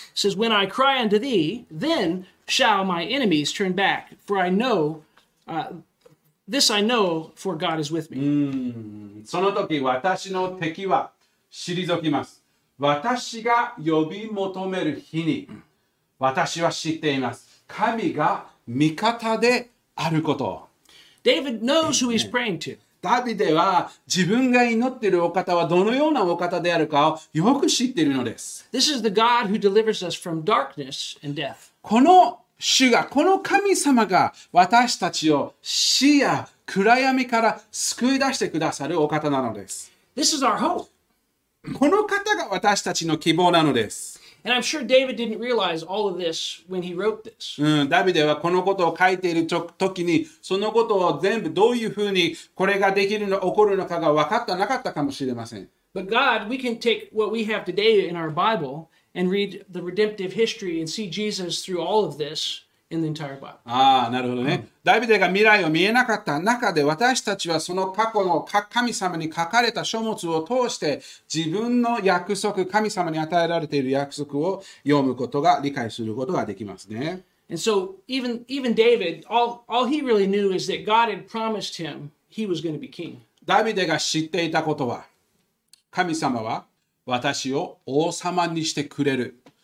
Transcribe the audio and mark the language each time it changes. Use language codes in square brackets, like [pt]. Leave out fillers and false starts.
[en] It says, When I cry unto thee, then shall my enemies turn back, for I know, this I know, for God is with me. [ja] その時私の敵は退きます。私が呼び求める日に私は知っています。神が味方であること。 [en] David knows who he's praying to. [ja] ダビデは自分が祈っているお方はどのようなお方であるかをよく知っているのです。 [en] This is the God who delivers us from darkness and death. [ja] この主が、この神様が私たちを死や暗闇から救い出してくださるお方なのです。 [en] This is our hope. [ja] この方が私たちの希望なのです。 [en] And I'm sure David didn't realize all of this when he wrote this. [ja] ダビデはこのことを書いている時に、そのことを全部どういうふうにこれができるの、起こるのかが分かってなかったかもしれません。 [en] But God, we can take what we have today in our Bible and read the redemptive history and see Jesus through all of this in the entire Bible. [ja] ああ、なるほどね。ダビデが未来を見えなかった中で、私たちはその過去の神様に書かれた書物を通して、自分の約束、神様に与えられている約束を読むことが、理解することができますね。 [en] And so, even David, all he really knew is that God had promised him he was going to be king. [ja] ダビデが知っていたことは、神様は私を王様にしてくれる。